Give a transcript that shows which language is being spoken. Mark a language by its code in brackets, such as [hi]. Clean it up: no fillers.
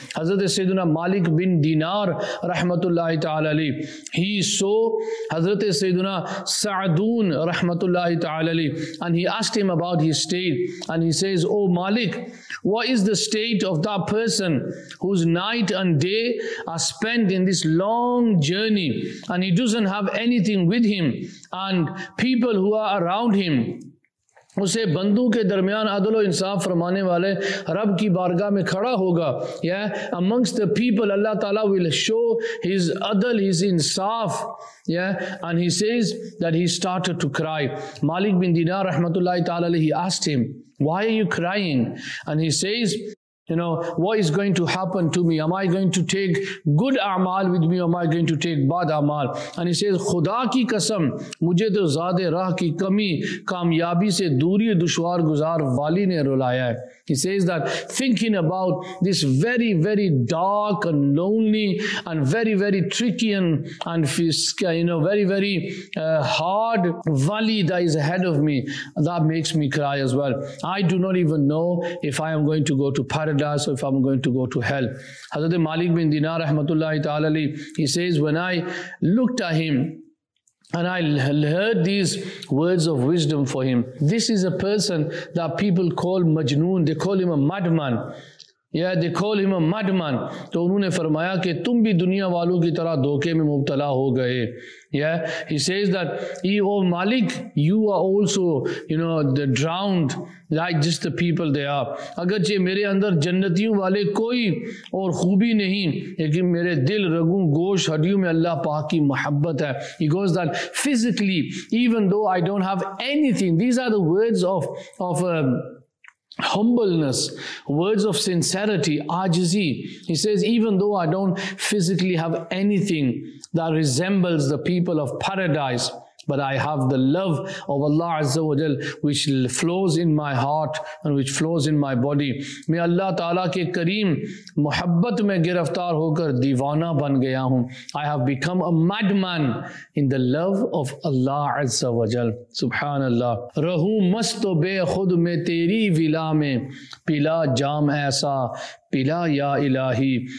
[en] Hazrat Sayyidina Malik bin Dinar, rahmatullahi ta'ala li, he saw Hazrat Sayyidina Sa'dun, rahmatullahi ta'ala li, and he asked him about his state, and he says, "Oh Malik, what is the state of that person whose night and day are spent in this long journey, and he doesn't have anything with him, and people who are around him?" [ur] اسے بندوں کے درمیان عدل و انصاف فرمانے والے رب کی بارگاہ میں کھڑا ہوگا yeah? [en] Amongst the people اللہ تعالیٰ will show his عدل his انصاف yeah? And he says that he started to cry. Malik bin Dinar رحمت اللہ تعالیٰ علیہ, he asked him, why are you crying? And he says, you know, what is going to happen to me? Am I going to take good a'mal with me? Am I going to take bad a'mal? And he says, [ur] خدا کی قسم, مجھے تو زادِ راہ کی کمی, کامیابی سے دوری دشوار گزار والی نے رولایا ہے. [en] He says that thinking about this very, very dark and lonely and very, very tricky and you know, very, very hard valley that is ahead of me, that makes me cry as well. I do not even know if I am going to go to paradise or if I'm going to go to hell. Hazrat Malik bin Dinar, rahmatullahi ta'ala li, he says, when I looked at him, and I heard these words of wisdom for him. This is a person that people call Majnoon. They call him a madman. Yeah, they call him a madman. [ur] تو انہوں نے فرمایا کہ تم بھی دنیا والوں کی طرح دھوکے میں مبتلا ہو گئے. [en] Yeah, he says that, oh Malik, you are also, you know, the drowned like just the people they are. [ur] اگرچہ میرے اندر جنتیوں والے کوئی اور خوبی نہیں, لیکن میرے دل رگوں گوش ہڈیوں میں اللہ پاک کی محبت ہے. [en] He goes that physically, even though I don't have anything, these are the words of humbleness, words of sincerity, ajzi. He says, even though I don't physically have anything that resembles the people of paradise, but I have the love of Allah Azza wa Jal, which flows in my heart and which flows in my body. [ur] میں اللہ تعالیٰ کے کریم محبت میں گرفتار ہو کر دیوانہ بن گیا ہوں. [en] I have become a madman in the love of Allah Azza wa Jal. سبحان اللہ. [ur] رہوں مست و بے خود میں تیری ولا میں, پلا جام ایسا پلا یا الہی.